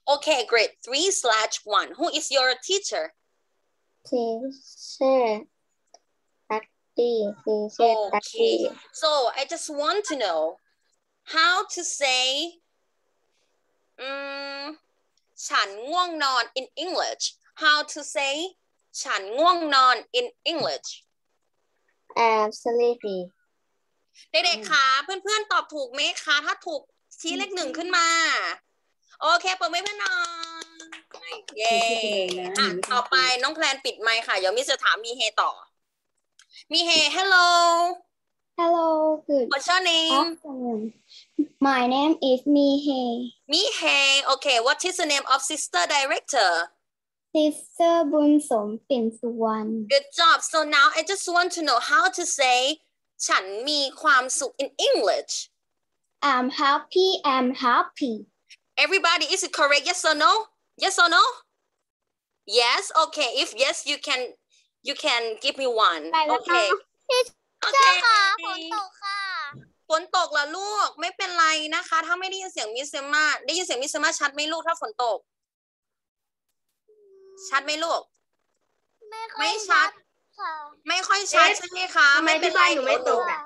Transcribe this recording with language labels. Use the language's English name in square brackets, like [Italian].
[English] okay grade 3/1 who is your teacher teacherOkay, so I just want to know how to say [Thai] ฉันง่วงนอน [English] in English. How to say [Thai] ฉันง่วงนอน [English] in English? I'm sleepy. [Thai] เด็กๆคะเพื่อนๆตอบถูกไหมคะถ้าถูกชี้เลขหนึ่งขึ้นมาโอเคเปิดไมค์เพื่อนนอนเย้ต่อไปน้องแพลนปิดไมค์ค่ะเดี๋ยวมิสเตอร์ถามมีเฮต่อมีเฮ hello [English] hello good what's your name awesome. my name is Mihe okay what is the name of sister director sister Bunsom Pinsuwan good job so now I just want to know how to say [Thai] ฉันมีความสุข [English] in English I'm happy everybody is it correct yes or no yes okay if yes you can give me one okay [Thai] ค่ะฝนตกค่ะ ฝนตกเหรอลูกไม่เป็นไรนะคะถ้าไม่ได้ยินเสียงมิสเซมาได้ยินเสียงมิสเซมาชัดไหมลูกถ้าฝนตกชัดไหมลูก ไม่ชัดค่ ะ ไม่ค่อยชัดใช่ไหมคะ ไม่เป็นไรหนูไม่ตก